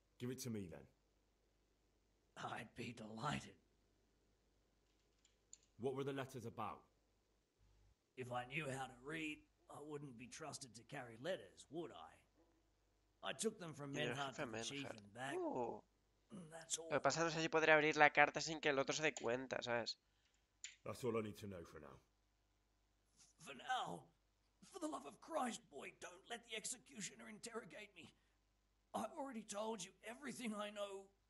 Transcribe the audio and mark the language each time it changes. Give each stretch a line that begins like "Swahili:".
English: Give it to me then. I'd be delighted. What were the letters about? If I knew how to read, I wouldn't be trusted to carry letters, would I? I took them from Menhart to the chief and back. Ooh.
Spanish: Lo que pasa es que así podría abrir la carta sin que el otro se dé cuenta, ¿sabes?
English: That's all I need to know for now. For now, for the love of Christ, boy, don't let the executioner interrogate me. I've already told you everything I know.